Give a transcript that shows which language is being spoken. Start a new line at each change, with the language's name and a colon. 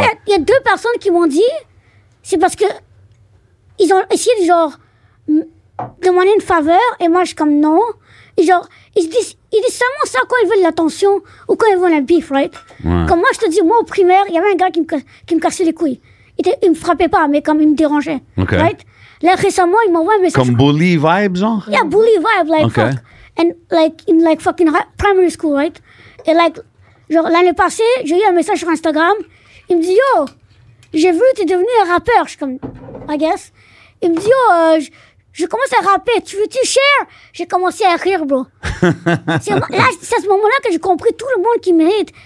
French: Ouais, il y a deux personnes qui m'ont dit, c'est parce que ils ont essayé de, genre, demander une faveur, et moi, je suis comme, non. Et genre, ils disent seulement ça quand ils veulent l'attention ou quand ils veulent un beef, right? Ouais. Comme moi, je te dis, moi, au primaire, il y avait un gars qui me cassait les couilles. Il me frappait pas, mais comme il me dérangeait. Okay. Right? Là, récemment, il m'envoie un message. Comme bully vibe, genre?
English: Yeah, bully vibe, like, okay. Fuck. And, like, in, like, fucking primary school, right?
French: Et, like, genre, l'année passée, j'ai eu un message sur Instagram. Il me dit, yo, j'ai vu, t'es devenu un rappeur. Je suis comme,
English: I guess.
French: Il me dit, yo, je commence à rapper, tu veux-tu share? J'ai commencé à rire, bro. C'est à ce moment-là que j'ai compris tout le monde qui mérite.